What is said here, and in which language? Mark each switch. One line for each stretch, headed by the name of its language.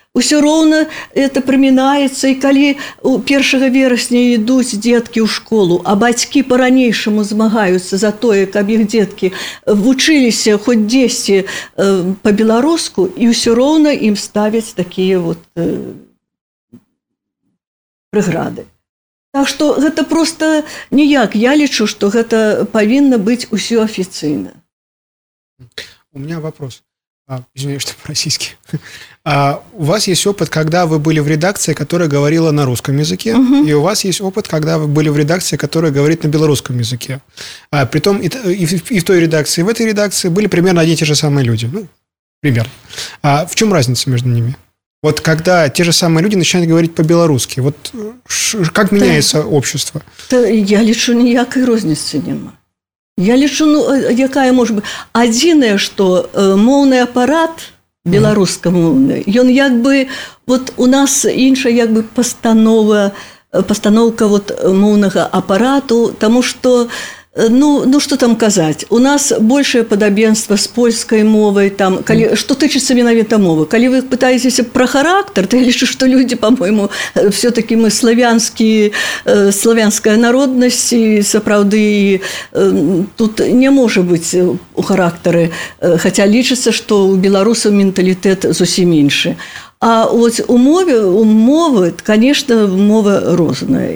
Belarusian: Усё роўна это прымінаецца, і калі ў 1 верасня ідуць дзеткі ў школу, а бацькі па-ранейшаму змагаюцца за тое, каб іх дзеткі вучыліся хоць дзесьці па-беларуску, і ўсё роўна ім ставяць такія вот прыграды. Так што гэта проста ніяк. Я лічу, што гэта павінна быць усё афіцыйна.
Russian: У меня вопрос. Извиняюсь, что по-российски. У вас есть опыт, когда вы были в редакции, которая говорила на русском языке, и у вас есть опыт, когда вы были в редакции, которая говорит на белорусском языке. Притом и в той редакции, и в этой редакции были примерно одни и те же самые люди. Ну, примерно. А в чем разница между ними? Вот когда те же самые люди начинают говорить по-белорусски, вот как меняется общество? Я лечу, никакой разницы нема.
Belarusian: Я лічу, ну, якая можа быць. Адзінае, што моўны апарат беларускамоўны, ён як бы, вот у нас іншая як бы пастановка вот моўнага апарату, таму што, ну што там казаць, у нас большае падабенства з польскай мовай, там, калі, што тычыцца менавіта мовы, калі вы пытаецеся пра характар, то я лічу, што людзі,
Russian: па-моему, все-таки
Belarusian: мы славянская народнасць, і сапраўды тут не можа быць у характары, хаця лічыцца, што ў беларусаў менталітэт зусім іншы. А вот у мовы, конечно, мова розная.